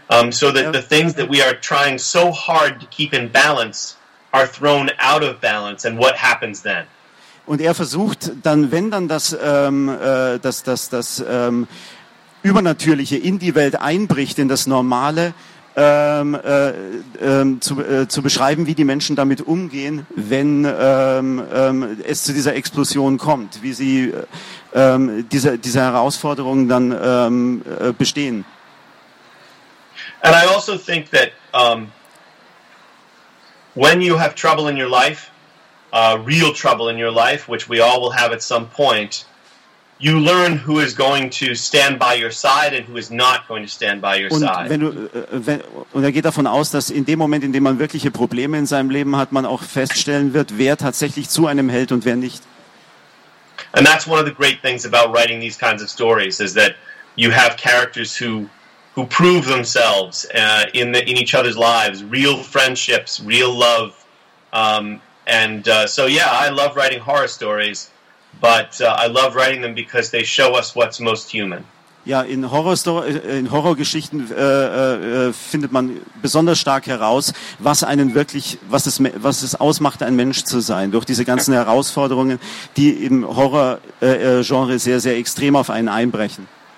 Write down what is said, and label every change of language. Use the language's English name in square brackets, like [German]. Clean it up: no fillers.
[English] So that the things that we are trying so hard to keep in balance are thrown out of balance, and what happens then? [German] Und er versucht dann, wenn dann das das Übernatürliche in die Welt einbricht, in das Normale, zu beschreiben, wie die Menschen damit umgehen, wenn es zu dieser Explosion kommt, wie sie diese Herausforderungen dann bestehen. [English] And I also think that when you have trouble in your life, real trouble in your life, which we all will have at some point, you learn who is going to stand by your side and who is not going to stand by your [German] und [English] side. [German] Und er geht davon aus, dass in dem Moment, in dem man wirkliche Probleme in seinem Leben hat, man auch feststellen wird, wer tatsächlich zu einem hält und wer nicht. [English] And that's one of the great things about writing these kinds of stories, is that you have characters who prove themselves in each other's lives, real friendships, real love. I love writing horror stories, but I love writing them because they show us what's most human. [German] Ja, in Horrorgeschichten findet man besonders stark heraus, was einen wirklich, was es ausmacht, ein Mensch zu sein, durch diese ganzen Herausforderungen, die im Horror-Genre sehr, sehr extrem auf einen einbrechen.